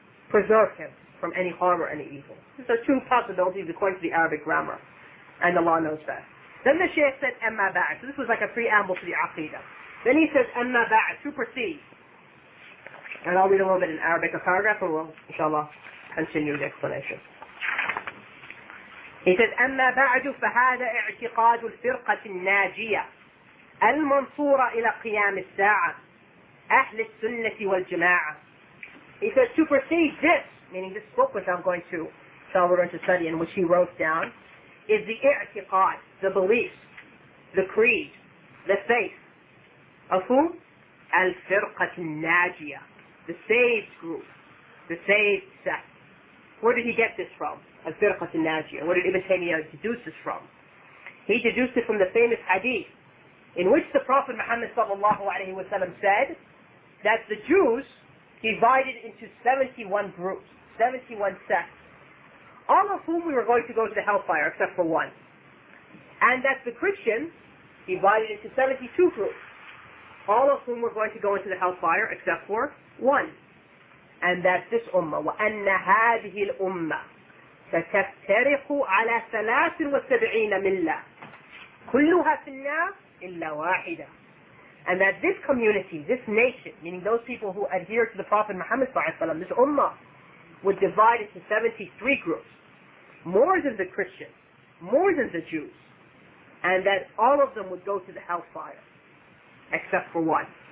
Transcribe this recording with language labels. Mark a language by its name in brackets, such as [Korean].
[English] Preserve him from any harm or any evil. These are two possibilities according to the Arabic grammar. And Allah knows best. Then the Shaykh said, Amma Ba'ath. So this was like a preamble to the Aqidah. Then he says, Amma Ba'ath, supersede. And I'll read a little bit in Arabic, a paragraph, and we'll, inshallah, continue the explanation. He says, [Arabic] أما بعد فهذا اعتقاد الفرقة الناجية المنصورة إلى قيام الساعة أهل السنة والجماعة. [English] He says, supersede this, meaning this book which I'm going to, shall we're going to study, in which he wrote down, is the اعتقاد, the belief, the creed, the faith, of whom? [Arabic] الفرقة الناجية, [English] the saved group, the saved sect. Where did he get this from? Al-Firqat al-Najiyah. Where did Ibn Taymiyyah deduce this from? He deduced it from the famous hadith in which the Prophet Muhammad sallallahu alayhi wa sallam said that the Jews divided into 71 groups, 71 sects, all of whom we were going to go to the hellfire except for one. And that the Christians divided into 72 groups, all of whom were going to go into the hellfire except for one. And that this ummah, [Arabic] وَأَنَّ هَذِهِ الْأُمَّةِ فَتَفْتَرِقُ عَلَى 73 مِلَّةِ كُلُّهَا فِي النَّارِ إِلَّا وَاحِدًا. [English] And that this community, this nation, meaning those people who adhere to the Prophet Muhammad [Arabic] صلى الله عليه وسلم, [English] this ummah, would divide into 73 groups, more than the Christians, more than the Jews, and that all of them would go to the hellfire, except for one.